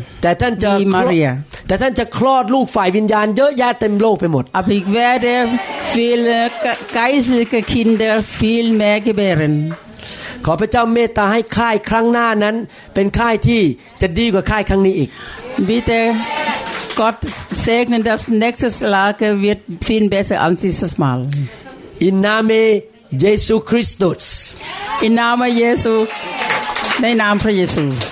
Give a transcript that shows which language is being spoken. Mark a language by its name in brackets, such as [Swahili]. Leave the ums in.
[Thai] แต่ท่านจะ [German] wie Maria. [Thai] แต่ท่านจะคลอดลูกฝ่ายวิญญาณเยอะแยะเต็มโลกไปหมด [German] Aber ich werde viele ge- geistliche Kinder viel mehr gebären. [Thai] ขอพระเจ้าเมตตาให้ค่ายครั้งหน้านั้น เป็นค่ายที่จะดีกว่าค่ายครั้งนี้อีก [German] Bitte Gott segnen, das nächste Lager wird viel besser als dieses Mal. อินนามเยซูคริสตุส Im Namen Jesu, im Namen von Jesu.